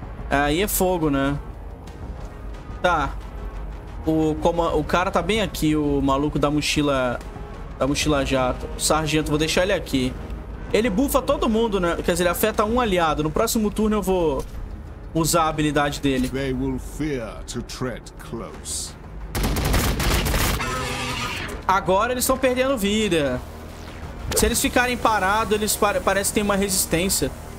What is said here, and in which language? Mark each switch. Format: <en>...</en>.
<pt>Aí é fogo, né? Tá. O cara tá bem aqui, o maluco da mochila... Da mochila jato. Sargento, vou deixar ele aqui. Ele bufa todo mundo, né? Quer dizer, ele afeta um aliado. No próximo turno eu vou usar a habilidade dele.</pt> <en>They will fear to tread close.</en> <pt>Agora eles estão perdendo vida. Se eles ficarem parados, eles parece que tem uma resistência.</pt>